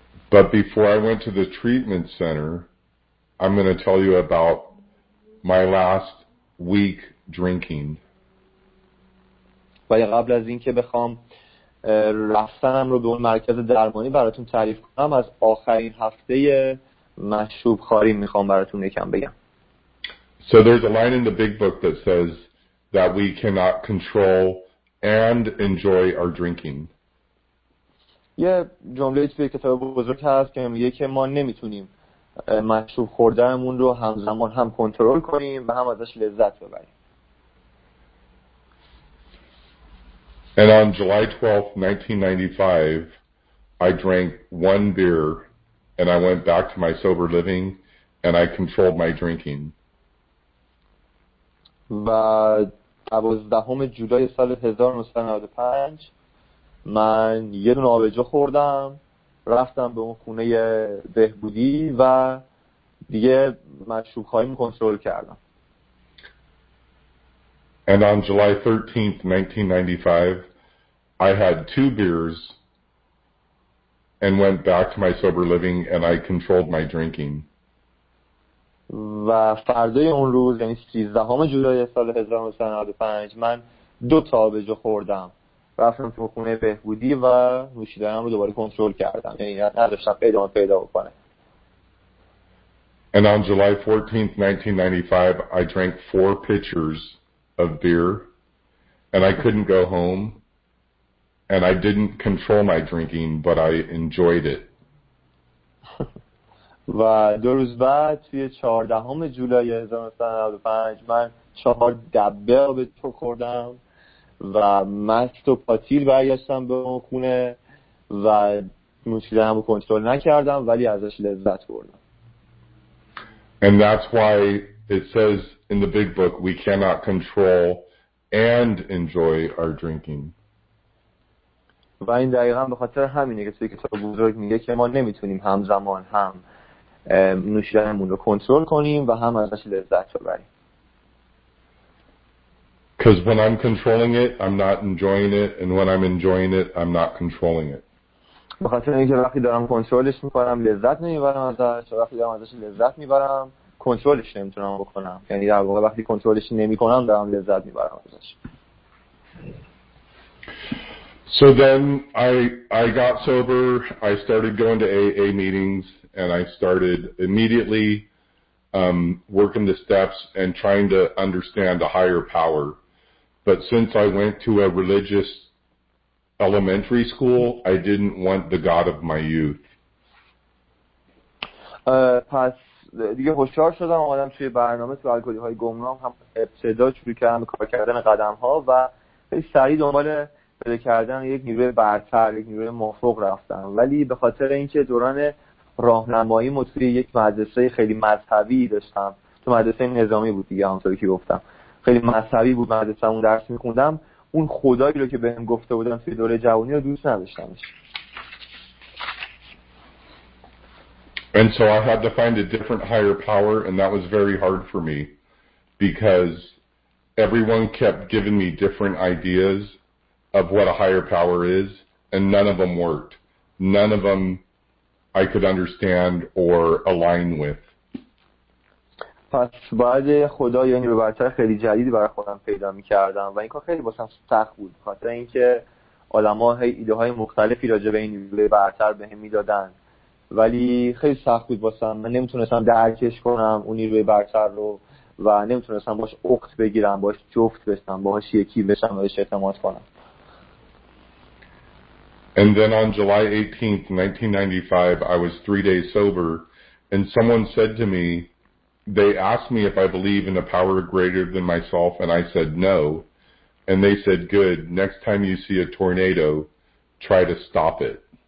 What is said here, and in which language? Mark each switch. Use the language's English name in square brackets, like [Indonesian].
[English] But before I went to the treatment center, I'm going to tell you about my last week drinking. [Persian] ولی قبل از این که بخوام رفتنم رو به اون مرکز درمانی براتون تعریف کنم، از آخرین هفته مشروب خاری میخوام براتون یکم بگم. [English] So there's a line in the big book that says that we cannot control and enjoy our drinking. [Persian] یه جمله توی کتاب بزرگ هست که میگه که ما نمیتونیم مشروب خوردنمون رو همزمان هم کنترل کنیم و هم ازش لذت ببریم. [English] And on July 12th, 1995, I drank one beer and I went back to my sober living and I controlled my drinking. [Persian] و دوازدهم جولای سال 1995 من یه دونه آبجو خوردم، رفتم به اون خونه بهبودی و دیگه مشروب خواهیم کنترل کردم. [English] And on July 13th, 1995, I had 2 beers and went back to my sober living and I controlled my drinking. [Persian] و فردای اون روز، یعنی 13 جولای سال 1995، من 2 تا آبجو خوردم، رفتم تو خونه بهبودی و نوشیدنم رو دوباره کنترل کردم، یعنی نداشتم ادامه پیدا بکنه. [English] And on July 14th, 1995, I drank 4 pitchers of beer and I couldn't go home. And I didn't control my drinking, but I enjoyed it. [Persian] و دو روز بعد توی 14 جولای 1995 من 4 دبه آب جو خوردم و مست و پاتیل برگشتم به اون خونه و نوشیدنم رو کنترل نکردم ولی ازش لذت بردم. [English] And that's why it says in the big book we cannot control and enjoy our drinking. [Persian] و این دقیقا به خاطر همینه که توی کتاب بزرگ میگه که ما نمیتونیم همزمان هم نوشیدنمون رو کنترل کنیم و هم ازش لذت ببریم. [English] Cuz when I'm controlling it I'm not enjoying it and when I'm enjoying it I'm not controlling it. [Persian] به خاطر اینکه وقتی دارم کنترلش میکنم لذت نمیبرم ازش، وقتی دارم ازش لذت میبرم کنترلش نمیتونم بکنم. یعنی در واقع وقتی کنترلش نمیکنم دارم لذت میبرم ازش. [English] So then I got sober, I started going to AA meetings, and I started immediately working the steps and trying to understand a higher power. But since I went to a religious elementary school, I didn't want the God of my youth. [Persian] پس دیگه هوشیار شدم، اومدم توی برنامه تو الگوهای گمنام، هم ابتدا شروع کردم کار کردن قدم ها و خیلی سریع دنبال پیدا کردن یک نیروی برتر، یک نیروی مافوق رفتن. ولی به خاطر اینکه دوران راهنمایی مطوری یک مدرسه خیلی مذهبی داشتم، تو مدرسه نظامی بود دیگه، همونطوری که گفتم خیلی مذهبی بود مدرسه، اون درس میخوندم، اون خدایی رو که بهم گفته بودن توی دوره جوانی رو دوست نداشتمش. [English] And so I had to find a different higher power, and that was very hard for me because everyone kept giving me different ideas of what a higher power is, and none of them worked. None of them I could understand or align with. [Persian] پس بعد خدا یا نیروی برتر خیلی جدیدی برای خودم پیدا می‌کردم و این کار خیلی واسم سخت بود، خاطر اینکه آدم‌ها ایده‌های مختلفی راجع به نیروی برتر بهم می‌دادن، ولی خیلی سخت بود واسم. من نمیتونستم درکش کنم اون نیروی برتر رو و نمیتونستم باش اخت بگیرم، باش جفت بشم، باش یکی بشم، باش اعتماد کنم. [English] And then on July 18th, 1995, I was 3 days sober, and someone said to me, they asked me if I believe in a power greater than myself, and I said no. And they said, good, next time you see a tornado, try to stop it.